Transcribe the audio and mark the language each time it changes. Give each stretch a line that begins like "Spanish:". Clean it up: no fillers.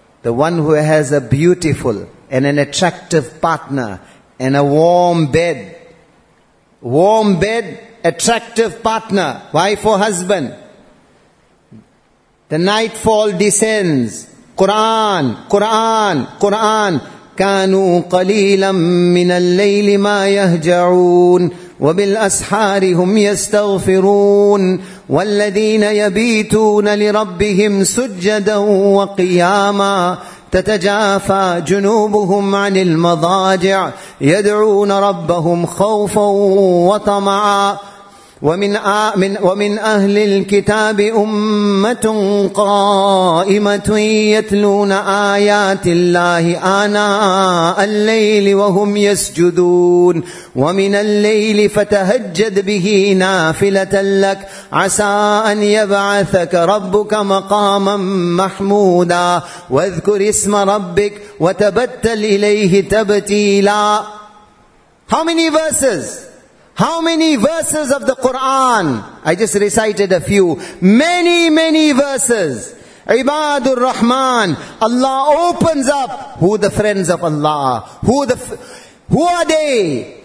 English: The one who has a beautiful and an attractive partner and a warm bed. Warm bed, attractive partner, wife or husband. The nightfall descends. Quran, Quran, Quran.
Arabic: كانوا قليلا من الليل ما يهجعون وبالأسحار هم يستغفرون والذين يبيتون لربهم سجدا وقياما تتجافى جنوبهم عن المضاجع يدعون ربهم خوفا وطمعا ومن أهل الكتاب أمة قائمة يتلون آيات الله آناء الليل وهم يسجدون ومن الليل فتهجد به نافلة لك عسى أن يبعثك ربك مقاما محمودا واذكر اسم ربك وتبتل إليه تبتيلا.
English: How many verses? How many verses of the Quran? I just recited a few. Many, many verses. Ibadur Rahman. Allah opens up who the friends of Allah. Who are they?